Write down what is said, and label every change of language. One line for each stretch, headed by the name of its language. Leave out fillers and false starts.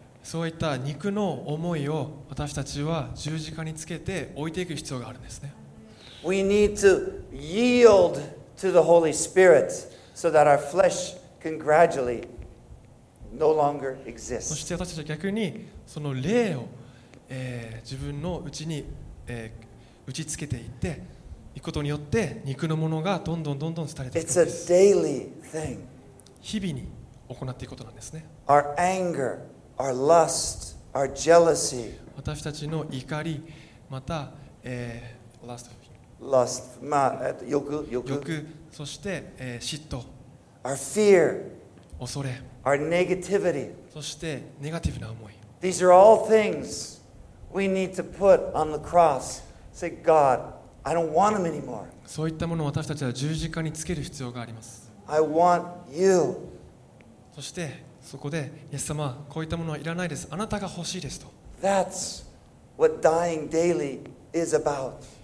Japanese: そういった肉の思いを私たちは十字架につけて置いていく必要があるんですね。
English: We need to yield to the Holy Spirit so that our flesh can gradually no longer exist.
Japanese: そして私たちは逆にその霊を、自分のうちに、打ちつけていって行くことによって肉のものがどんどんどんどん廃れていくんです。
English: It's a daily thing.
Japanese: 日々に行っていくことなんですね。
English: Our anger, our lust, our jealousy.
Japanese: 私たちの怒り、また、 lust、まあ、欲、そして、嫉妬、
English: our fear,
Japanese: 恐れ、
English: our negativity,
Japanese: そしてネガティブな思い。
English: These are all things we need to put on the cross. Say, God, I don't want them anymore.
Japanese: そういったものを私たちは十字架につける必要があります。
English: I want you.
Japanese: そしてそこでイエス様、こういったものはいらないです。あなたが欲しいですと。
English: That's what dying daily is about.